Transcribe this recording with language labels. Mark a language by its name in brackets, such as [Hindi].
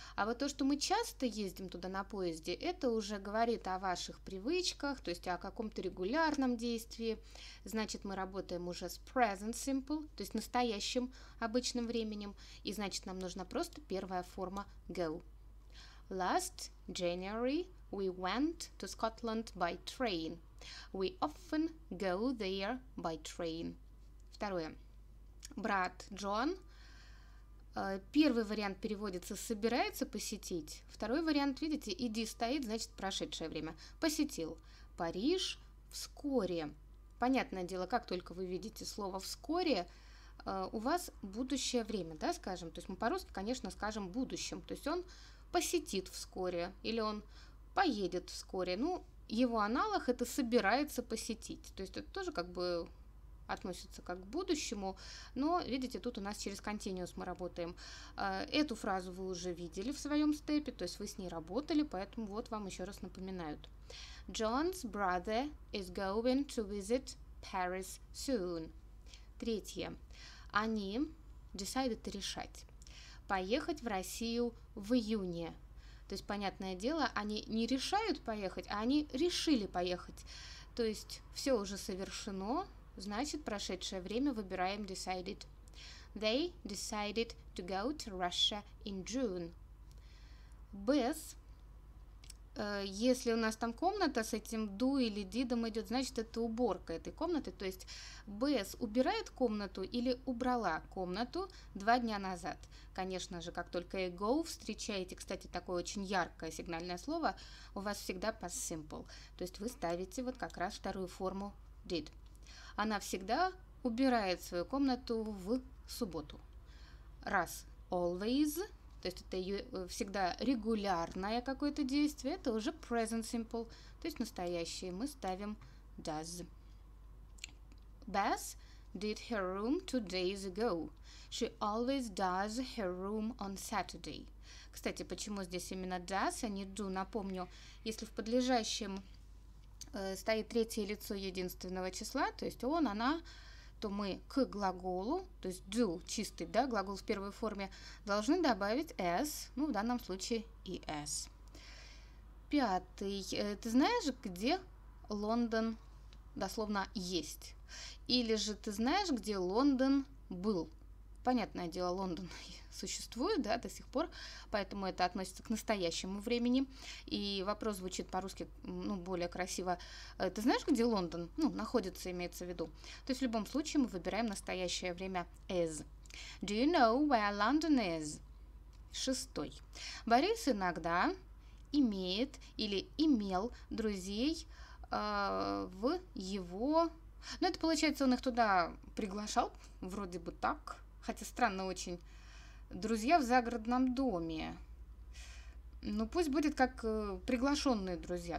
[Russian] А вот то, что мы часто ездим туда на поезде, это уже говорит о ваших привычках, то есть о каком-то регулярном действии. Значит, мы работаем уже с present simple, то есть настоящим обычным временем, и значит, нам нужна просто первая форма go. [English] Last January we went to Scotland by train. We often go there by train. [Russian] Второе. Брат Джон. Первый вариант переводится «собирается посетить». Второй вариант, видите, «иди» стоит, значит, прошедшее время. Посетил Париж вскоре. Понятное дело, как только вы видите слово «вскоре», у вас будущее время, да, скажем. То есть мы по-русски, конечно, скажем «будущем». То есть он посетит вскоре или он поедет вскоре. Ну, его аналог – это «собирается посетить». То есть это тоже как бы относится как к будущему, но, видите, тут у нас через continuous мы работаем. Эту фразу вы уже видели в своем степе, то есть вы с ней работали, поэтому вот вам еще раз напоминают. [English] John's brother is going to visit Paris soon. [Russian] Третье. Они decided решать поехать в Россию в июне. То есть, понятное дело, они не решают поехать, а они решили поехать. То есть все уже совершено. Значит, прошедшее время выбираем decided. [English] They decided to go to Russia in June. [Russian] Без, если у нас там комната с этим do или did'ом идет, значит, это уборка этой комнаты. То есть, без убирает комнату или убрала комнату 2 дня назад. Конечно же, как только и go встречаете, кстати, такое очень яркое сигнальное слово, у вас всегда past simple. То есть, вы ставите вот как раз вторую форму did. Она всегда убирает свою комнату в субботу. Раз, always, то есть это ее всегда регулярное какое-то действие, это уже present simple, то есть настоящее, мы ставим does. [English] Beth did her room 2 days ago. She always does her room on Saturday. [Russian] Кстати, почему здесь именно does, а не do? Напомню, если в подлежащем стоит третье лицо единственного числа, то есть он, она, то мы к глаголу, то есть do, чистый, да, глагол в первой форме, должны добавить s, ну, в данном случае и s. Пятый. Ты знаешь, где Лондон дословно есть? Или же ты знаешь, где Лондон был? Понятное дело, Лондон существует, да, до сих пор, поэтому это относится к настоящему времени. И вопрос звучит по-русски, ну, более красиво. Ты знаешь, где Лондон? Ну, находится, имеется в виду. То есть в любом случае мы выбираем настоящее время is. [English] Do you know where London is? [Russian] Шестой. Борис иногда имеет или имел друзей в его... Ну, это получается, он их туда приглашал, вроде бы так. Хотя странно очень. Друзья в загородном доме. Ну, пусть будет как приглашенные друзья.